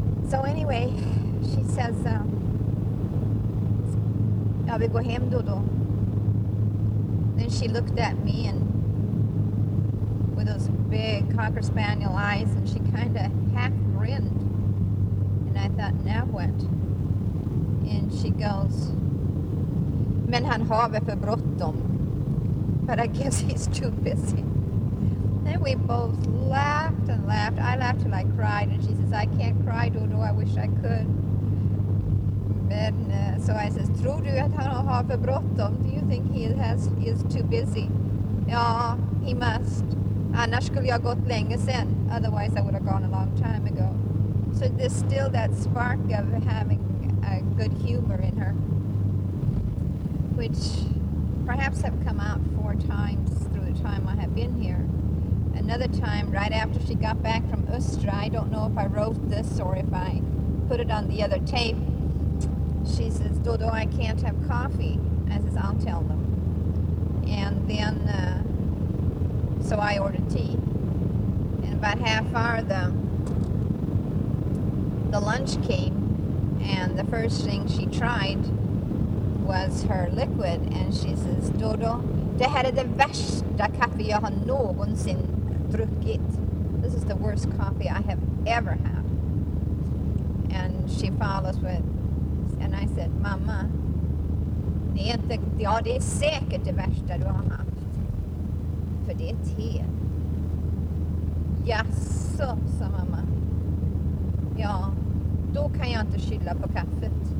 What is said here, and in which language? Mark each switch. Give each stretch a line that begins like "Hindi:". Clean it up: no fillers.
English: So anyway, she says, then she looked at me and with those big Cocker Spaniel eyes, and she kind of half grinned. And I thought, now what? And she goes,
Swedish: men han har vi för bråttom.
English: But I guess he's too busy. Then we both laughed and laughed. I laughed till I cried, and she says, I can't cry, Dodo, I wish I could. And so I says,
Swedish: tror du att han har för bråttom?
English: Do you think he is too busy? Ja, he must.
Swedish: Annars skulle jag gått länge sen.
English: Otherwise, I would have gone a long time ago. So there's still that spark of having a good humor in her, which perhaps have come out 4 times through the time I have been here. Another time, right after she got back from Ustra, I don't know if I wrote this or if I put it on the other tape, she says, Dodo, I can't have coffee. I says, I'll tell them. And then, so I ordered tea. And about half hour, the lunch came, and the first thing she tried was her liquid. And she says,
Swedish: Dodo, det här är det värsta kaffe jag har någonsin druckit.
English: This is the worst coffee I have ever had. And she follows with, and I said,
Swedish: Mama, det är inte, ja, det är säkert det värsta du har haft. För det är te. Jaså, sa mamma. Ja, då kan jag inte skylla på kaffet.